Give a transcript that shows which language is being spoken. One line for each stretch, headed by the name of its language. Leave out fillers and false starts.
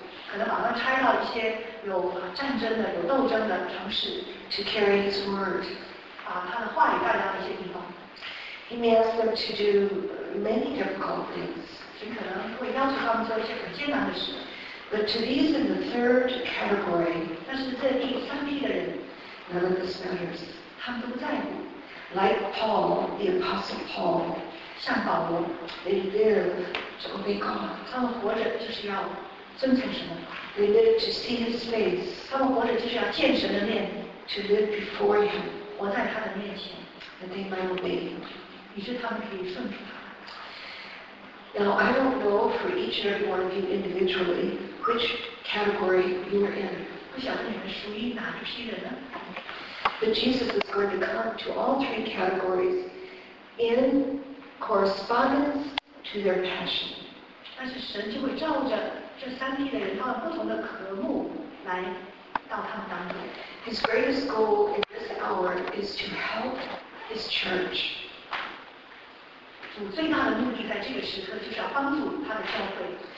Chinese: 可能把他拆到一些有战争的、有斗争的城市
English: to carry His word.
Chinese: 把他的话语带到一些地方。
English: He may ask them to do many difficult things.
Chinese: 神可能会要求他们做一些很艰难的事。
English: But to these in the third category,
Chinese: 但是这第三批的人,
English: none of this matters.
Chinese: 他们都不在乎。
English: Like Paul, the Apostle Paul,
Chinese: 像保罗,
English: they live to obey God.
Chinese: 他们活着就是要
English: They live to see His face.
Chinese: 他们活着就是要见神的面,
English: to live before Him.
Chinese: 活在他的面前,
English: that they might obey Him.
Chinese: 于是他们可以顺服他。
English: Now, I don't know for each and every one of you individually which category you are in.
Chinese: 不晓得你们属于哪一批人呢?
English: But Jesus is going to come to all three categories in correspondence to their passion.
Chinese: 但是神就会照着 这三批人他们不同的渴慕来到他们当中。
English: His greatest goal in this hour is to help His church.
Chinese: 主最大的目的在这个时刻就是要帮助他的教会。